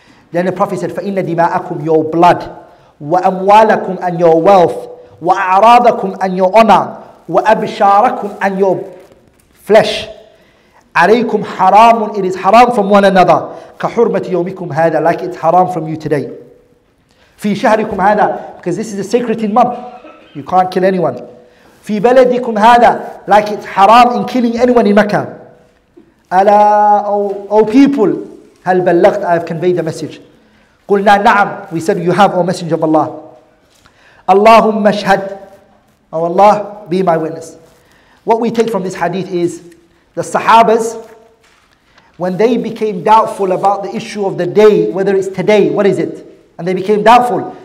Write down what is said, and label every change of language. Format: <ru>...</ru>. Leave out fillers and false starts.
<en>Then the Prophet said,</en> <ar>فَإِنَّ دِمَاءَكُمْ</ar> <en>your blood,</en> <ar>وَأَمْوَالَكُمْ</ar> <en>and your wealth,</en> <ar>وَأَعْرَاضَكُمْ</ar> <en>and your honor,</en> <ar>وَأَبْشَارَكُمْ</ar> <en>and your flesh,</en> <ar>عليكم حرام.</ar> <en>It is haram from one another.</en> <ar>كحرمة يومكم هذا.</ar> <en>Like it's haram from you today.</en> <ar>في شهركم هذا.</ar> <en>Because this is a sacred month. You can't kill anyone.</en> <ar>في بلدكم هذا.</ar> <en>Like it's haram in killing anyone in Mecca.</en> <ar>ألا أو</ar> <en>people.</en> <ar>هل بلغت.</ar> <en>I have conveyed the message.</en> <ar>قلنا نعم.</ar> <en>We said you have, O Messenger of Allah.</en> <ar>اللهم اشهد.</ar> <en>Oh Allah, be my witness. What we take from this hadith is, the Sahabas, when they became doubtful about the issue of the day, whether it's today, what is it? And they became doubtful.</en>